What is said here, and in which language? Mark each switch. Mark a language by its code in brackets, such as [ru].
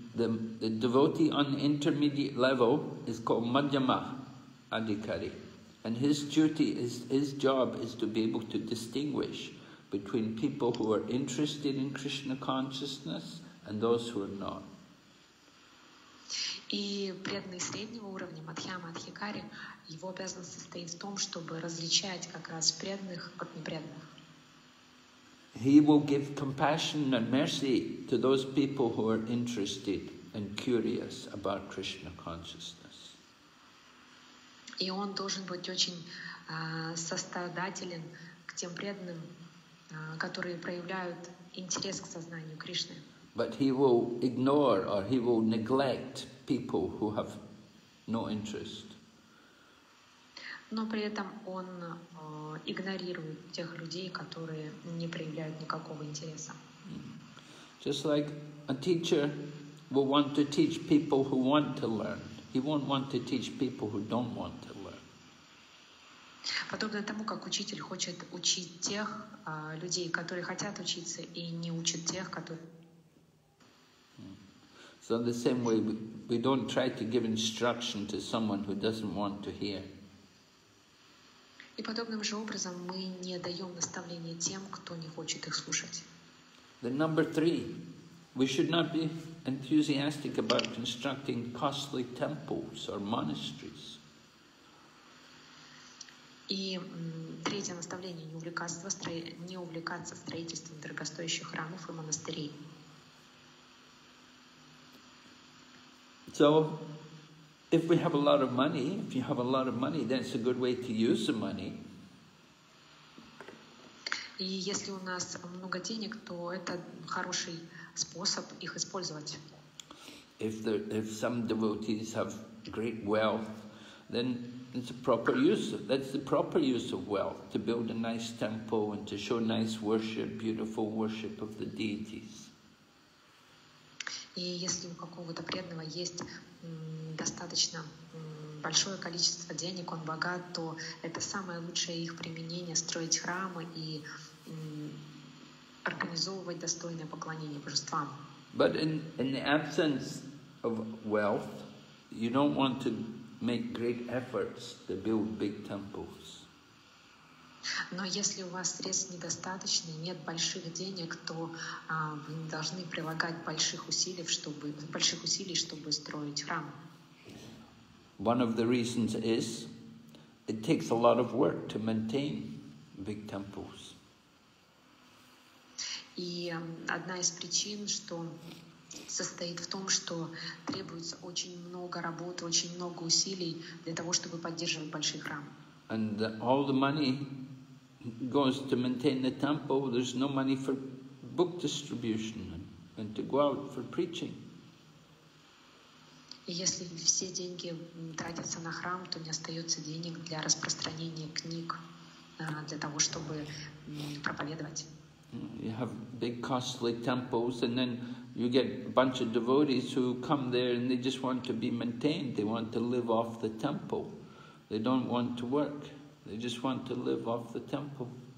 [en] The devotee on the intermediate level is called Madhyama Adhikari. And his job is to be able to distinguish between people who are interested in Krishna consciousness and those who are not. [ru] И преданный среднего уровня, Мадхьяма Адхикари, его обязанность состоит в том, чтобы различать как раз преданных от непреданных. [en] He will give compassion and mercy to those people who are interested and curious about Krishna consciousness. [ru] И он должен быть очень сострадателен к тем преданным, которые проявляют интерес к сознанию Кришны. [en] But he will ignore or he will neglect people who have no interest. [ru] Но при этом он игнорирует тех людей, которые не проявляют никакого интереса. [en] Just like a teacher will want to teach people who want to learn. He won't want to teach people who don't want to learn. [ru] Подобно тому, как учитель хочет учить тех людей, которые хотят учиться, и не учит тех, которые... [en] So in the same way, we don't try to give instruction to someone who doesn't want to hear. [ru] И подобным же образом мы не даем наставления тем, кто не хочет их слушать. [en] The number three, we should not be enthusiastic about constructing costly temples or monasteries. [ru] И третье наставление не увлекаться строительством дорогостоящих храмов и монастырей. [en] So, if we have a lot of money, if you have a lot of money, that's a good way to use the money. [ru] И если у нас много денег, то это хороший способ их использовать. [en] If some devotees have great wealth, then it's a proper use. That's the proper use of wealth, to build a nice temple and to show nice worship, beautiful worship of the deities. [ru] И если у какого-то преданного есть достаточно большое количество денег, он богат, то это самое лучшее их применение — строить храмы и организовывать достойное поклонение божествам. [en] But in the absence of wealth, you don't want to make great efforts to build big temples. [ru] Но если у вас средств недостаточно, нет больших денег, то вы не должны прилагать больших усилий, чтобы строить храм. [en] One of the reasons is it takes a lot of work to maintain big temples. [ru] И одна из причин, что состоит в том, что требуется очень много работы, очень много усилий для того, чтобы поддерживать большие храмы. [en] And all the money goes to maintain the temple, there's no money for book distribution and to go out for preaching. [ru] Если все деньги тратятся на храм, то не остается денег для распространения книг, для того, чтобы проповедовать. [en] You have big costly temples and then you get a bunch of devotees who come there and they just want to be maintained, they want to live off the temple, they don't want to work. They just want to live off the temple.